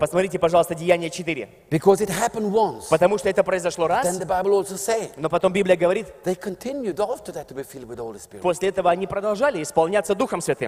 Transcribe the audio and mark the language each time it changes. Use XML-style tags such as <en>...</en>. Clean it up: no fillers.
<ru>Посмотрите, пожалуйста, Деяния 4.</ru> <en>Because it happened once.</en> <ru>Потому что это произошло раз.</ru> <en>Then the Bible also says.</en> <ru>Но потом Библия говорит.</ru> <en>They continued after that to be filled with the Holy Spirit.</en> <ru>После этого они продолжали исполняться Духом Святым.</ru>